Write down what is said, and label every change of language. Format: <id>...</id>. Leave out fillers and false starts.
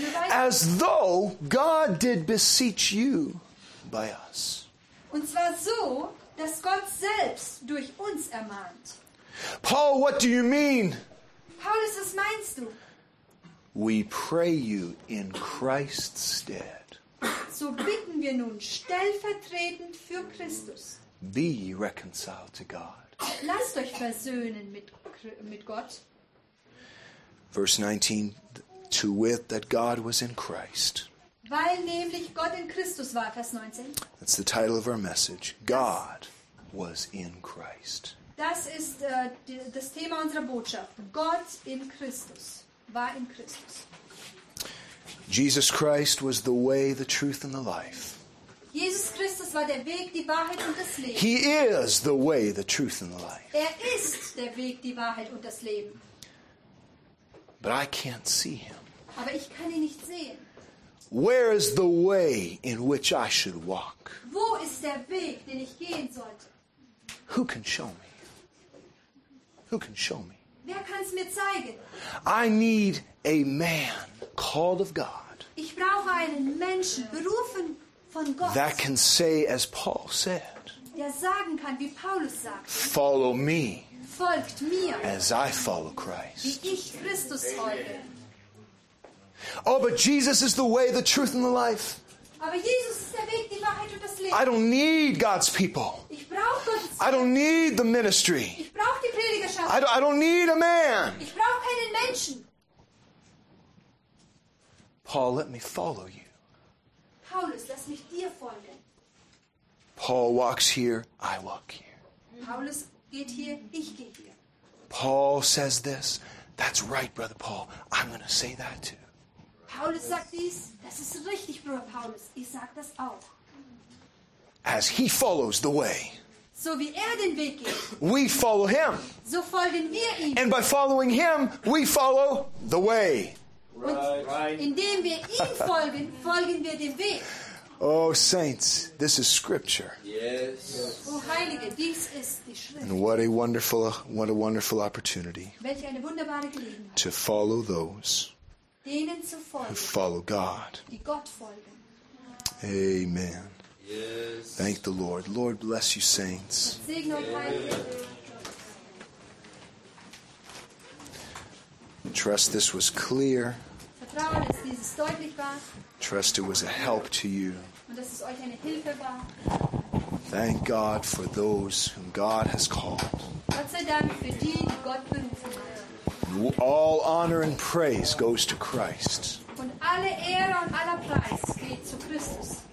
<en>As though God did beseech you by us.</en> <de>Und zwar so, dass Gott selbst durch uns ermahnt.</de> <en>Paul, what do you mean?</en> <de>Paulus, was meinst du?</de> <en>We pray you in Christ's stead.</en> <de>So bitten wir nun stellvertretend für Christus.</de> <en>Be ye reconciled to God.</en> <de>Lasst euch versöhnen mit Gott.</de> <en>Verse 19, to wit that God was in Christ.</en> <de>Weil nämlich Gott in Christus war, Vers 19.</de> <en>That's the title of our message. God was in Christ.</en> <de>Das ist das Thema unserer Botschaft. Gott in Christus. War in Christus.</de> <en>Jesus Christ was the way, the truth, and the life.</en> <de>Jesus Christus war der Weg, die Wahrheit und das Leben.</de> <en>He is the way, the truth, and the life.</en> <de>Er ist der Weg, die Wahrheit und das Leben.</de> <en>But I can't see him.</en> <de>Aber ich kann ihn nicht sehen.</de> <en>Where is the way in which I should walk?</en> <de>Wo ist der Weg, den ich gehen sollte?</de> <en>Who can show me? Who can show me?</en> <de>Wer kann es mir zeigen?</de> <en>I need a man called of God.</en> <de>Ich brauche einen Menschen, berufen von Gott.</de> <en>That can say as Paul said.</en> <de>Der sagen kann, wie Paulus sagt.</de> <en>Follow me.</en> <de>Folgt mir.</de> <en>As I follow Christ.</en> <de>Wie ich Christus folge.</de> <en>Oh, but Jesus is the way, the truth, and the life.</en> <de>Aber Jesus ist der Weg, die Wahrheit und das Leben.</de> <en>I don't need God's people.</en> <de>Ich brauche Gottes Volk.</de> <en>I don't need the ministry.</en> <de>Ich brauche die Predigerschaft.</de> <en>I don't need a man.</en> <de>Ich brauche keinen Menschen.</de> <en>Paul, let me follow you.</en> <de>Paulus, lass mich dir folgen.</de> <en>Paul walks here, I walk here.</en> <de>Paulus geht hier, ich gehe hier.</de> <en>Paul says this. That's right, Brother Paul. I'm going to say that too.</en> <de>Paulus sagt dies. Das ist richtig, Bruder Paulus. Ich sag das auch.</de> <en>As he follows the way.</en> <de>So wie er den Weg geht.</de> <en>We follow him.</en> <de>So folgen wir ihm.</de> <en>And by following him, we follow the way. Right.</en> <de>Indem wir ihm folgen, folgen wir dem Weg.</de> <en>Oh, saints, this is scripture. Yes.</en> <de>Oh, Heilige, dies ist die Schrift.</de> <en>And what a wonderful opportunity.</en> <de>Welch eine wunderbare Gelegenheit.</de> <en>To follow those.</en> <de>Denen zu folgen.</de> <en>Who follow God.</en> <de>Die Gott folgen.</de> <en>Amen. Yes. Thank the Lord. Lord bless you, saints.</en> <de>Segne euch, Heilige.</de> <en>Trust this was clear.</en> <de>Vertrauen, dass dieses deutlich war.</de> <en>Trust it was a help to you.</en> <de>Und dass es euch eine Hilfe war.</de> <en>Thank God for those whom God has called.</en> <de>Gott sei Dank für die, die Gott berufen hat.</de> <en>All honor and praise goes to Christ.</en> <de>Und alle Ehre und aller Preis geht zu Christus.</de>